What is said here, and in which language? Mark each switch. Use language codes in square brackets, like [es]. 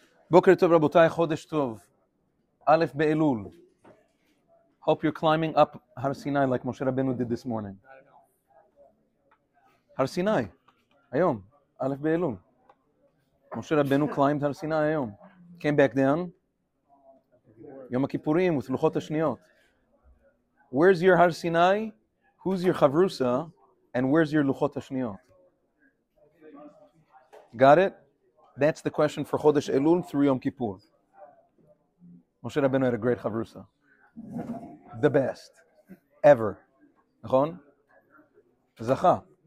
[he] בוקר טוב רבותיי, חודש טוב, א' באלול. [en] Hope you're climbing up הר סיני like משה רבנו did this morning. [he] הר סיני, היום, א' באלול. [en] משה רבנו climbed הר סיני היום. Came back down, יום הכיפורים ותלוחות השניות. Where's your הר סיני? Who's your חברוסה? And where's your לוחות השניות? Got it? That's the question for Chodesh Elul through Yom Kippur. Moshe Rabbeinu had a great chavrusa. The best. Ever. Nechon? Zacha.